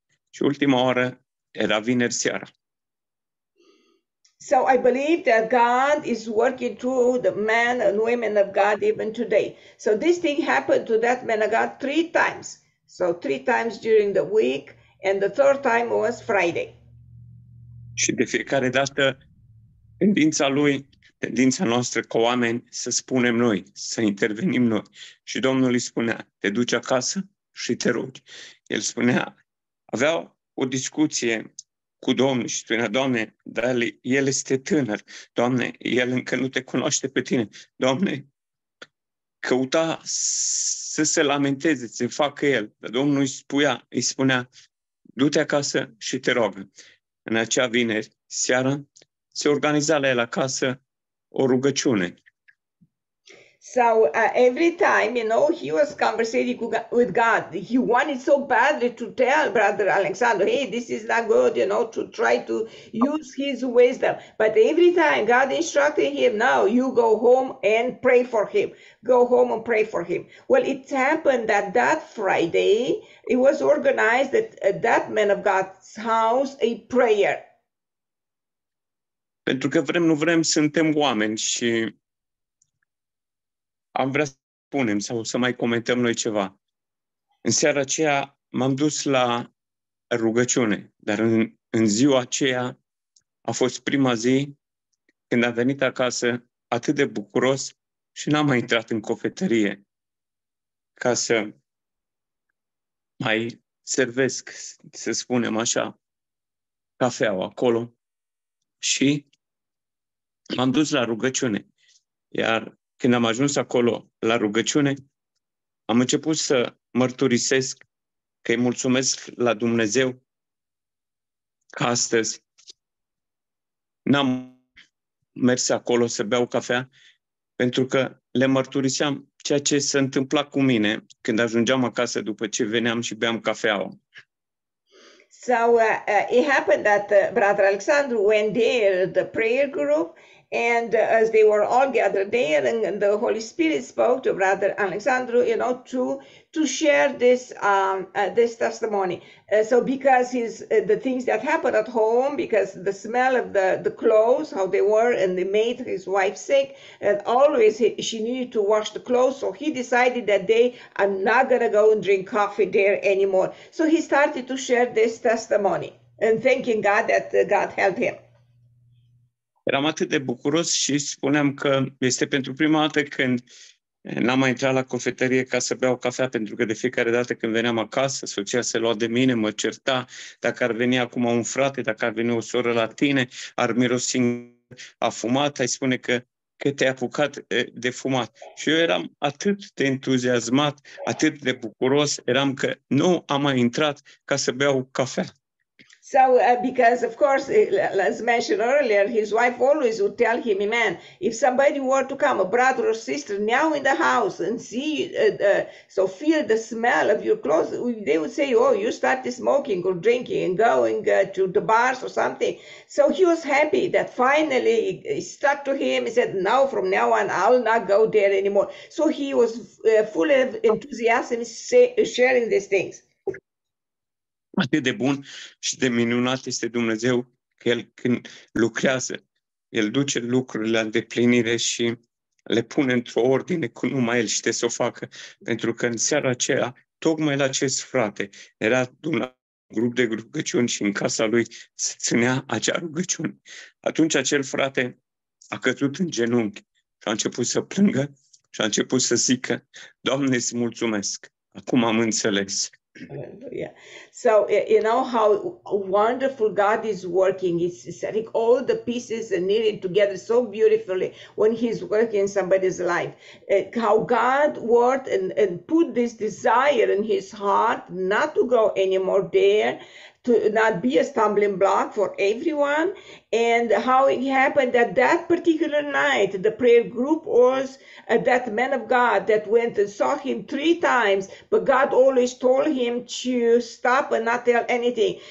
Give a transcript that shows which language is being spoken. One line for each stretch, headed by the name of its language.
Romanian: Și ultima oară era vineri seara.
English: So I believe that God is working through the men and women of God even today. So this thing happened to that man of God 3 times. So 3 times during the week, and the 3rd time was Friday.
Romanian: Și de fiecare dată, tendința lui, tendința noastră ca oameni, să spunem noi, să intervenim noi. Și Domnul îi spunea, te duci acasă și te rogi. El spunea, avea o discuție cu Domnul și spunea, Doamne, dar el este tânăr, Doamne, el încă nu te cunoaște pe tine, Doamne, căuta să se lamenteze, să facă el, dar Domnul îi spunea, du-te acasă și te rogă. În acea vineri seară, se organiza la el acasă o rugăciune.
English: So every time, you know, he was conversating with God, he wanted so badly to tell Brother Alexander, hey, this is not good, you know, to try to use his wisdom. But every time God instructed him, now you go home and pray for him. Go home and pray for him. Well, it happened that that Friday, it was organized at that man of God's house a prayer.
Romanian: Pentru că vrem, nu vrem, suntem oameni și am vrea să spunem sau să mai comentăm noi ceva. În seara aceea m-am dus la rugăciune, dar în ziua aceea a fost prima zi când am venit acasă atât de bucuros și n-am mai intrat în cofetărie ca să mai servesc, să spunem așa, cafeaua acolo și m-am dus la rugăciune. Iar când am ajuns acolo la rugăciune, am început să mărturisesc că îi mulțumesc la Dumnezeu că astăzi n-am mers acolo să beau cafea, pentru că le mărturiseam ceea ce se întâmpla cu mine când ajungeam acasă după ce veneam și beam cafeaua.
English: So it happened that Brother Alexandru went there, the prayer group, and as they were all gathered there, and the Holy Spirit spoke to Brother Alexandru, you know, to share this this testimony. So because his the things that happened at home, because the smell of the clothes, how they were, and they made his wife sick, and always she needed to wash the clothes, so he decided that day, I'm not gonna go and drink coffee there anymore. So he started to share this testimony, and thanking God that God helped him.
Romanian: Eram atât de bucuros și spuneam că este pentru prima dată când n-am mai intrat la cofetărie ca să beau cafea, pentru că de fiecare dată când veneam acasă, soția se lua de mine, mă certa, dacă ar veni acum un frate, dacă ar veni o soră la tine, ar mirosi a fumat, ai spune că te-ai apucat de fumat. Și eu eram atât de entuziasmat, atât de bucuros, eram că nu am mai intrat ca să beau cafea.
English: So, because, of course, as mentioned earlier, his wife always would tell him, man, if somebody were to come, a brother or sister, now in the house and see, so feel the smell of your clothes, they would say, oh, you started smoking or drinking and going to the bars or something. So he was happy that finally it stuck to him. He said, now, from now on, I'll not go there anymore. So he was full of enthusiasm sharing these things.
Romanian: Atât de bun și de minunat este Dumnezeu că El când lucrează, El duce lucrurile la îndeplinire și le pune într-o ordine cu numai El știe să o facă. Pentru că în seara aceea, tocmai la acest frate, era un grup de rugăciuni și în casa lui se ținea acea rugăciune. Atunci acel frate a căzut în genunchi și a început să plângă și a început să zică, Doamne, îți mulțumesc, acum am înțeles.
English: Yeah. So you know how wonderful God is working. He's setting all the pieces and knitting together so beautifully when he's working in somebody's life. How God worked and put this desire in his heart not to go anymore there, to not be a stumbling block for everyone, and how it happened that that particular night, the prayer group was that man of God that went and saw him three times, but God always told him to stop and not tell anything.